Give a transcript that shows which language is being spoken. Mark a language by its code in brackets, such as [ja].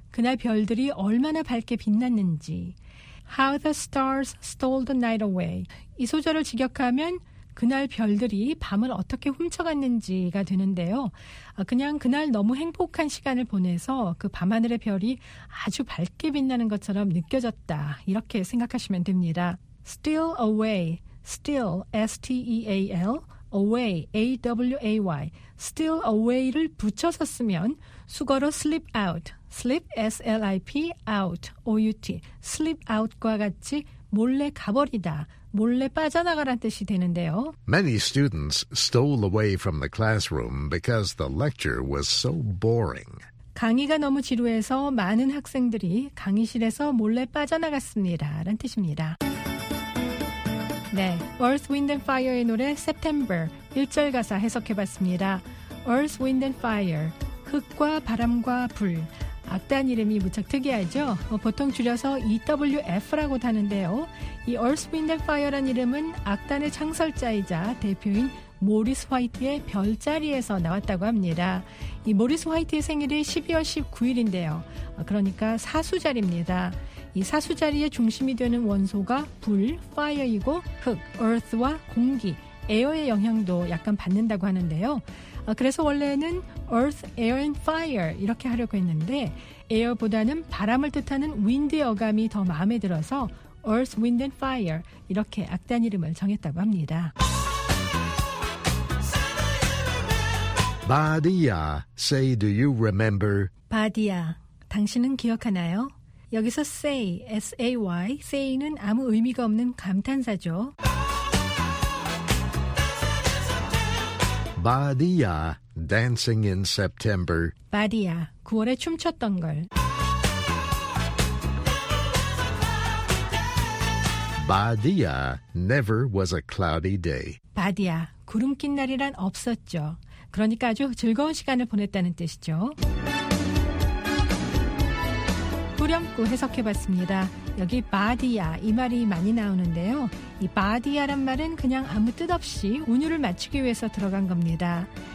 [ko] 그날 별들이 얼마나 밝게 빛났는지. [en] How the stars stole the night away. [ko] 이 소절을 직역하면 그날 별들이 밤을 어떻게 훔쳐갔는지가 되는데요. 그냥 그날 너무 행복한 시간을 보내서 그 밤하늘의 별이 아주 밝게 빛나는 것처럼 느껴졌다. 이렇게 생각하시면 됩니다. [en] Steal away. Steal, S-T-E-A-L. Away, A-W-A-Y. Steal away를 [ko] 붙여서 쓰면 수거로 [en] slip out. Slip, S-L-I-P, out, O-U-T. Slip out [ko] 과 같이 몰래 가버리다. 몰래 빠져나가란 뜻이 되는데요. [en] Many students stole away from the classroom because the lecture was so boring. [ko] 강의가 너무 지루해서 많은 학생들이 강의실에서 몰래 빠져나갔습니다. 라는 뜻입니다. 네, Earth, Wind and Fire의 노래 September 1절 가사 해석해봤습니다. Earth, Wind and Fire, 흙과 바람과 불. 악단 이름이 무척 특이하죠? 보통 줄여서 EWF라고 하는데요. 이 Earth, Wind and Fire란 이름은 악단의 창설자이자 대표인 모리스 화이트의 별자리에서 나왔다고 합니다. 이 모리스 화이트의 생일이 12월 19일인데요. 그러니까 사수자리입니다. 이 사수자리의 중심이 되는 원소가 불, fire이고 흙, earth와 공기, air의 영향도 약간 받는다고 하는데요. 그래서 원래는 [en] earth, air and fire [ko] 이렇게 하려고 했는데 air보다는 바람을 뜻하는 wind의 어감이 더 마음에 들어서 earth, wind and fire 이렇게 악단 이름을 정했다고 합니다. [en] 바디야, say, do you remember? [ko] 바디야, 당신은 기억하나요? 여기서 say, S-A-Y, say는 아무 의미가 없는 감탄사죠. [en] 바디야, dancing in September. [ko] 바디야, 9월에 춤췄던 걸. [en] 바디야, never was a cloudy day. [ko] 바디야, 구름 낀 날이란 없었죠. 그러니까 아주 즐거운 시간을 보냈다는 뜻이죠. 후렴구 해석해봤습니다. 여기 바디야 이 말이 많이 나오는데요. 이 바디야란 말은 그냥 아무 뜻 없이 운율을 맞추기 위해서 들어간 겁니다.